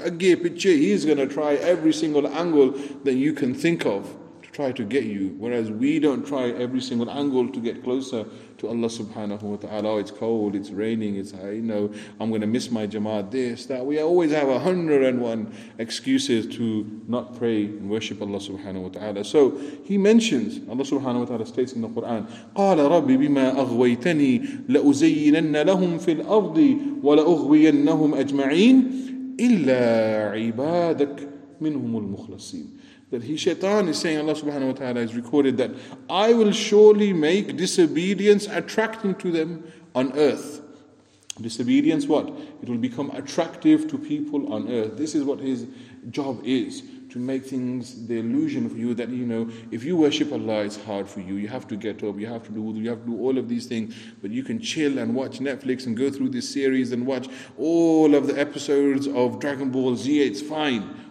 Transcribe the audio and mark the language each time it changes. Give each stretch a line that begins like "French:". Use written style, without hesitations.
English: He's going to try every single angle that you can think of to try to get you. Whereas we don't try every single angle to get closer to Allah subhanahu wa ta'ala. Oh, it's cold, it's raining, I'm going to miss my jama'at, this, that. We always have 101 excuses to not pray and worship Allah subhanahu wa ta'ala. So he mentions, Allah subhanahu wa ta'ala states in the Quran,
Arabic: قَالَ رَبِّ بِمَا أَغْوَيْتَنِي لَأُزَيِّنَنَّ لَهُمْ فِي الْأَرْضِ وَلَأُغْوِيَنَّهُمْ أَجْمَعِينَ إِلَّا عِبَادَكْ مِنْهُمُ الْمُخْلَصِينَ.
English: That he, shaitan, is saying, Allah subhanahu wa ta'ala has recorded that, I will surely make disobedience attracting to them on earth. Disobedience what? It will become attractive to people on earth. This is what his job is, to make things the illusion for you that, if you worship Allah, it's hard for you. You have to get up, you have to do wudu, you have to do all of these things, but you can chill and watch Netflix and go through this series and watch all of the episodes of Dragon Ball Z, it's fine.